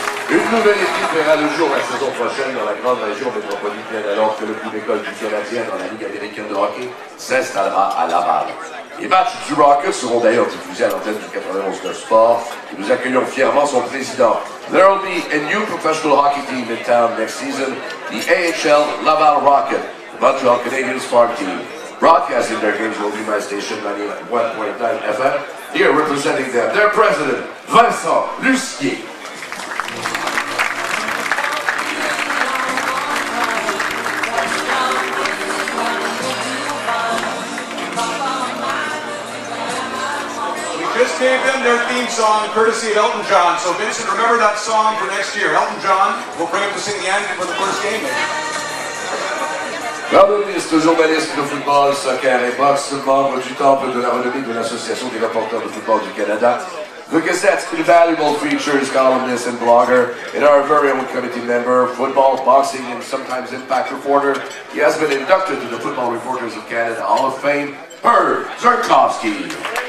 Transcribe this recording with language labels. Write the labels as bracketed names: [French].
[French] Une nouvelle équipe verra le jour la saison prochaine dans la grande région métropolitaine alors que le club école du Canadien dans la Ligue américaine de hockey s'installera à Laval. Les matchs du Rocket seront d'ailleurs diffusés à l'antenne du 91 de Sport et nous accueillons fièrement son président. [English] There will be a new professional hockey team in town next season, the AHL Laval Rocket, the Montreal Canadiens farm team. Broadcasting their games will be my station 91.9 FM. Here representing them, their president, Vincent Lussier. Gave them their theme song courtesy of Elton John. So Vincent, remember that song for next year. Elton John will bring up to sing the anthem for the first game. [French] Le ministre journaliste de football, soccer et boxe, membre du temple de la renommée de l'Association des reporters de football du Canada. [English] The Gazette's invaluable features, columnist and blogger, and our very own committee member, football, boxing, and sometimes impact reporter. He has been inducted to the Football Reporters of Canada Hall of Fame, Per Zerkovsky.